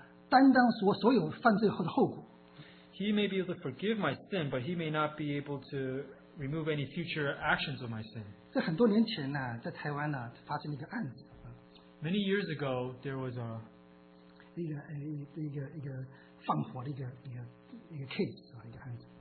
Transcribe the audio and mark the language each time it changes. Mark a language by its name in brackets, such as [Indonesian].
[Chinese] 他赦免我的罪,但是他不能够担当,他不能为我担当所有犯罪后的后果。 [English] He may be able to forgive my sin, but he may not be able to remove any future actions of my sin. [Chinese] 在很多年前呢, 在台湾呢, 发生一个案子, [English] many years ago, there was a [Chinese] 一个放火的一个 case, 一个案子。